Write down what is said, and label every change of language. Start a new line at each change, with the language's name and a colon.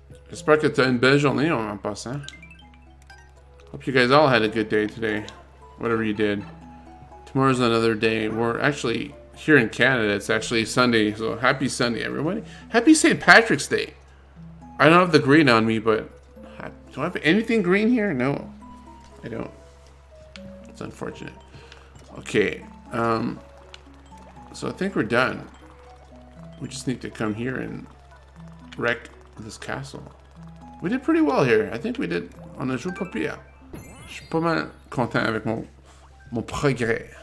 French: J'espère que t'as une belle journée en passant.
English: Hope you guys all had a good day today. Whatever you did. Tomorrow's another day. We're actually here in Canada. It's actually Sunday. So happy Sunday, everybody. Happy St. Patrick's Day. I don't have the green on me, but do I have anything green here? No, I don't. It's unfortunate. Okay. So I think we're done. We just need to come here and wreck this castle. We did pretty well here. I think we did.
French: On a joué pas pire. Je suis pas mal content avec mon progrès.